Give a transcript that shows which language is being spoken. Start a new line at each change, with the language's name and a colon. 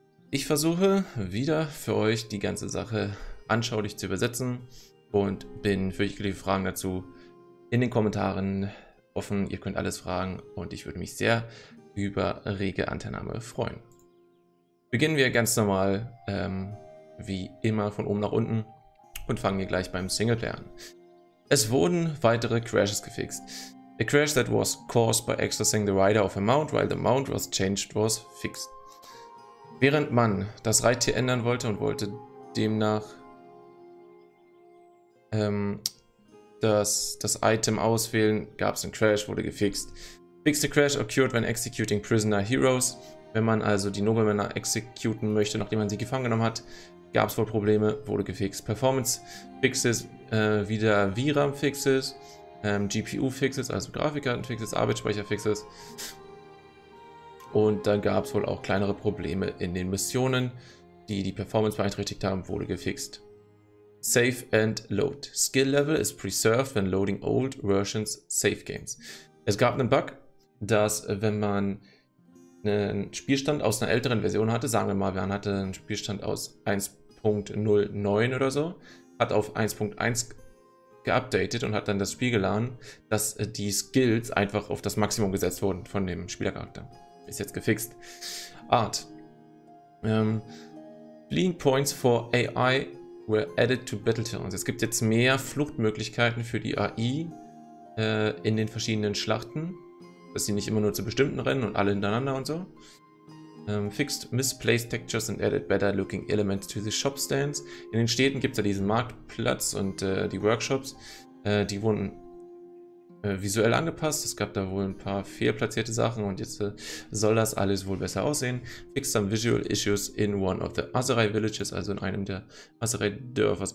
German: Ich versuche wieder für euch die ganze Sache anschaulich zu übersetzen und bin für jegliche Fragen dazu in den Kommentaren offen. Ihr könnt alles fragen und ich würde mich sehr über rege Anteilnahme freuen. Beginnen wir ganz normal, wie immer, von oben nach unten. Und fangen wir gleich beim Singleplayer an. Es wurden weitere Crashes gefixt.
English: A crash that was caused by accessing the rider of a mount while the mount was changed was fixed.
German: Während man das Reittier ändern wollte und wollte demnach das Item auswählen, gab es einen Crash, wurde gefixt.
English: Fixed a crash occurred when executing prisoner heroes.
German: Wenn man also die Nobelmänner exekuten möchte, nachdem man sie gefangen genommen hat, gab es wohl Probleme, wurde gefixt. Performance Fixes, wieder VRAM Fixes, GPU Fixes, also Grafikkarten Fixes, Arbeitsspeicher Fixes. Und dann gab es wohl auch kleinere Probleme in den Missionen, die die Performance beeinträchtigt haben, wurde gefixt.
English: Save and Load. Skill Level is preserved when loading old versions save games.
German: Es gab einen Bug, dass wenn man einen Spielstand aus einer älteren Version hatte, sagen wir mal, man hatte einen Spielstand aus 1.09 oder so, hat auf 1.1 geupdatet und hat dann das Spiel geladen, dass die Skills einfach auf das Maximum gesetzt wurden von dem Spielercharakter. Ist jetzt gefixt. Art.
English: Fleeing Points for AI were added to Battletoads.
German: Es gibt jetzt mehr Fluchtmöglichkeiten für die AI in den verschiedenen Schlachten. Dass sie nicht immer nur zu bestimmten Rennen und alle hintereinander und so.
English: Fixed misplaced textures and added better looking elements to the shop stands.
German: In den Städten gibt es ja diesen Marktplatz und die Workshops. Die wurden visuell angepasst. Es gab da wohl ein paar fehlplatzierte Sachen und jetzt soll das alles wohl besser aussehen.
English: Fixed some visual issues in one of the Azerai Villages,
German: also in einem der Azerai-Dörfer.